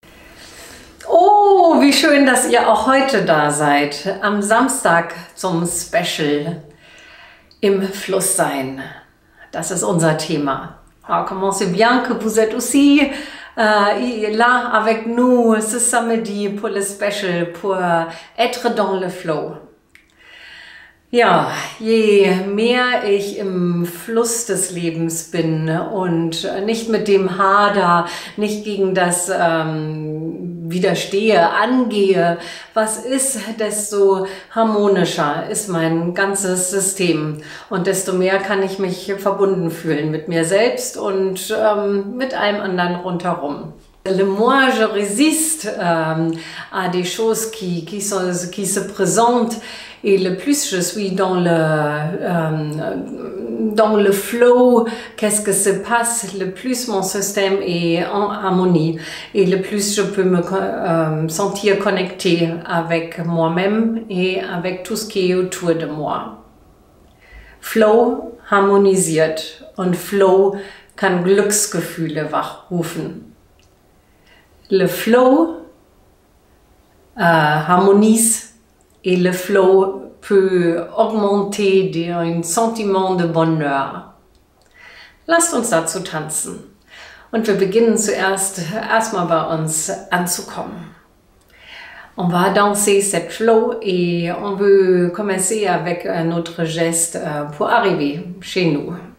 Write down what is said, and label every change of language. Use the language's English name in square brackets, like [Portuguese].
[German] wie schön, dass ihr auch heute da seid. Am Samstag zum Special im Fluss sein. Das ist unser Thema. [French] Comment c'est bien que vous êtes aussi là avec nous ce samedi pour le Special, pour être dans le flow. [German] Ja, je mehr ich im Fluss des Lebens bin und nicht mit dem Hader, nicht gegen das widerstehe, angehe, was ist, desto harmonischer ist mein ganzes System und desto mehr kann ich mich verbunden fühlen mit mir selbst und mit allem anderen rundherum. [French] Le moi je résiste à des choses qui se présentent. Et le plus je suis dans le flow, qu'est-ce que se passe, le plus mon système est en harmonie et le plus je peux me sentir connecté avec moi-même et avec tout ce qui est autour de moi. [German] Flow harmonisiert und Flow kann Glücksgefühle wachrufen. [French] Le flow harmonise. Et le flow peut augmenter un sentiment de bonheur. [German] Lasst uns dazu tanzen. Und wir beginnen zuerst erstmal bei uns anzukommen. [French] On va danser cette flow et on veut commencer avec un autre geste pour arriver chez nous.